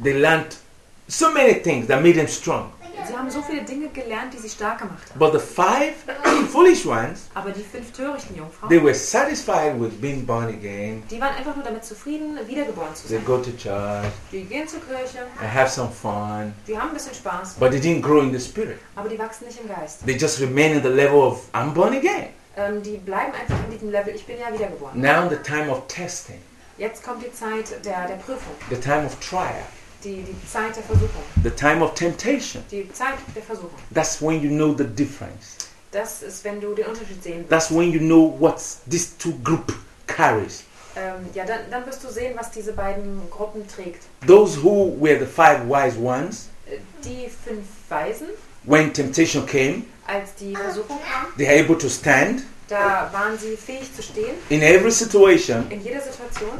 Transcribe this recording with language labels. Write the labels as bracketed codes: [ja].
[en] They learned so many things that made them strong. [de] Sie haben so viele Dinge gelernt, die sie stark gemacht haben. [en] But the 5 foolish ones, [de] aber die 5 törichten Jungfrauen, [en] they were satisfied with being born again. [de] Die waren einfach nur damit zufrieden, wiedergeboren zu sein. [en] They go to church. [de] Die gehen zur Kirche. [en] They have some fun. [de] Die haben ein bisschen Spaß. [en] But they didn't grow in the spirit. [de] Aber die wachsen nicht im Geist. [en] They just remain in the level of I'm born again. [de] Die bleiben einfach in diesem Level, ich bin ja wiedergeboren. [en] Now the time of testing. [de] Jetzt kommt die Zeit der Prüfung. [en] The time of trial. [de] Die Zeit der Versuchung. [en] The time of temptation. [de] Die Zeit der Versuchung. [en] That's when you know the difference. [de] Das ist, wenn du den Unterschied sehen willst. [en] That's when you know what these two group carries. [de] Dann wirst du sehen, was diese beiden Gruppen trägt. [en] Those who were the 5 wise ones. [de] Die 5 Weisen. [en] When temptation came. [de] Als die Versuchung kam. [en] They are able to stand. [de] Da waren sie fähig zu stehen. [en] In every situation. [de] In jeder Situation.